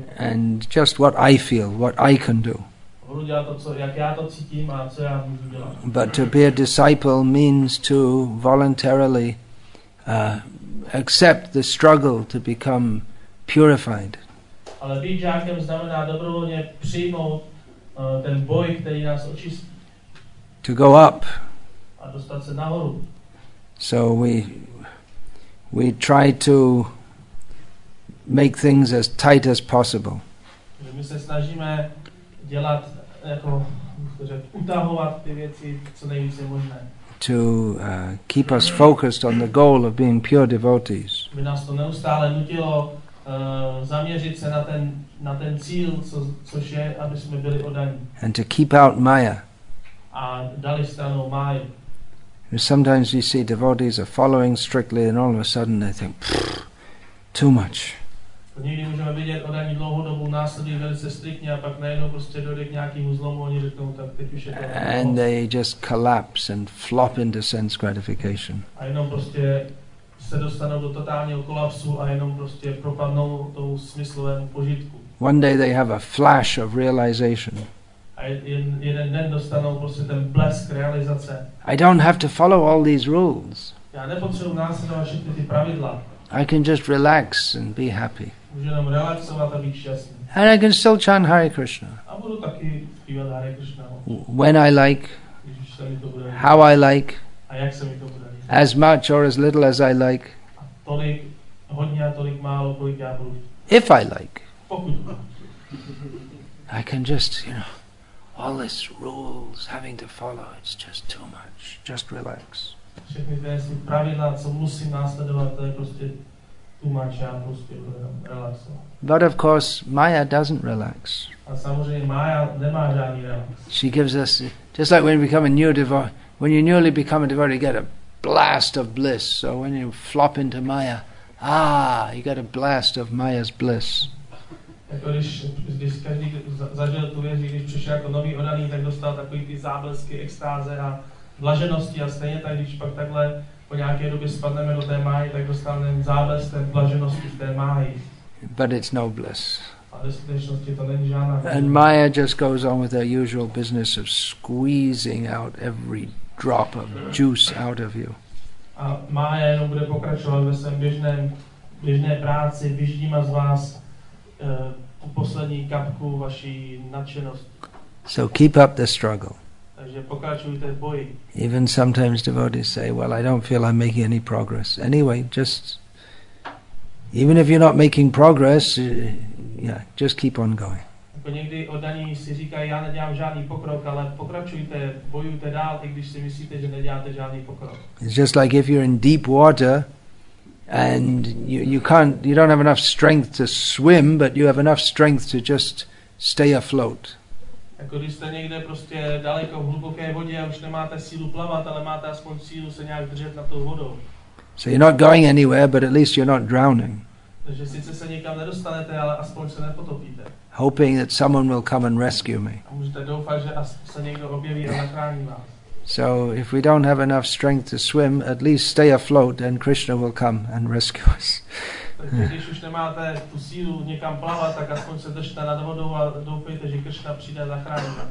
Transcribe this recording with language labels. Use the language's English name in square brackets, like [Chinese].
[English] And just what I feel, what I can do. But to be a disciple means to voluntarily accept the struggle to become purified. [Czech] Ale být žákem znamená dobrovolně přijmout ten boj, který nás očistí. [English] To go up. [Czech] A dostat se nahoru. [English] So we try to make things as tight as possible. [Czech] My se snažíme dělat jako utahovat ty věci co nejvíce možné. [English] To keep us focused on the goal of being pure devotees. [Czech] By nás to neustále nutilo zaměřit se na ten cíl, což je, aby jsme byli oddaní. [English] And to keep out Maya. [Czech] A dali stranou Maya. [English] Sometimes you see devotees are following strictly and all of a sudden they think, too much. [Czech] Někdy můžeme vidět oddaní dlouhou dobu následují velice striktně a pak najednou prostě dojde k nějakému zlomu, oni řeknou, tak teď už je to. [English] And they just collapse and flop into sense gratification. [Czech] A jenom prostě se dostanou do totálního kolapsu a jenom prostě propadnou tomu smyslovému požitku. [English] One day they have a flash of realization. [Czech] A jeden den dostanou prostě ten blesk realizace. [English] I don't have to follow all these rules. [Czech] Já nepotřebuji následovat všechny ty pravidla. [English] I can just relax and be happy. [Czech] Můžu jenom relaxovat a být šťastný. [English] And I can still chant Hare Krishna. [Czech] A budu taky zpívat Hare Krishna. [English] When I like. How I like. [Czech] A jak se mi to bude. [English] As much or as little as I like. [Czech] A tolik, hodně a tolik málo, kolik já budu. [English] If I like. [Czech] Pokud. [English] I can just, you know, all these rules having to follow, it's just too much. Just relax. [Czech] Všechny ty pravidla, co musím následovat, to je prostě [English] too much, [Czech] já prostě budu relaxovat. [English] But of course, Maya doesn't relax. [Czech] A samozřejmě Maya nemá žádný relax. [English] She gives us, just like when you become a new devotee, when you newly become a devotee, you get a blast of bliss. So when you flop into Maya, ah, you get a blast of Maya's bliss. [Czech] Když každý zažil tu věc, když přišel jako nový odaný, tak dostal takový ty záblesky, extáze a blaženosti. A stejně tak, když pak takhle po nějaké době spadneme do té máji, tak dostal ten záblesk, ten blaženosti v té máji. [English] But it's no bliss. [Czech] Ale v skutečnosti to není žádná. [English] And Maya just goes on with her usual business of squeezing out every drop of juice out of you. [Czech] A Maya jenom bude pokračovat ve svém běžné práci, vyždíma z vás tu poslední kapku vaší nadšenosti. [English] So keep up the struggle. [Czech] Takže pokračujte v boji. [English] Even sometimes devotees say, well, I don't feel I'm making any progress. Anyway, just, even if you're not making progress, yeah, just keep on going. [Czech] Jako někdy oddaní si říkají, já nedělám žádný pokrok, ale pokračujte, bojujte dál, i když si myslíte, že neděláte žádný pokrok. [English] It's just like if you're in deep water, and you don't have enough strength to swim, but you have enough strength to just stay afloat. [Czech] Jako když jste někde prostě daleko v hluboké vodě a už nemáte sílu plavat, ale máte aspoň sílu se nějak držet nad tou vodou. [English] So you're not going anywhere, but at least you're not drowning. [Czech] Takže sice se nikam nedostanete, ale aspoň se nepotopíte. [English] Hoping that someone will come and rescue me. [Czech] A můžete doufat, že se někdo objeví a zachrání vás. [English] So if we don't have enough strength to swim, at least stay afloat and Krishna will come and rescue us. [Czech] Když už nemáte tu sílu někam plavat, tak aspoň se držte nad vodou a doufejte, že Krishna přijde zachránit.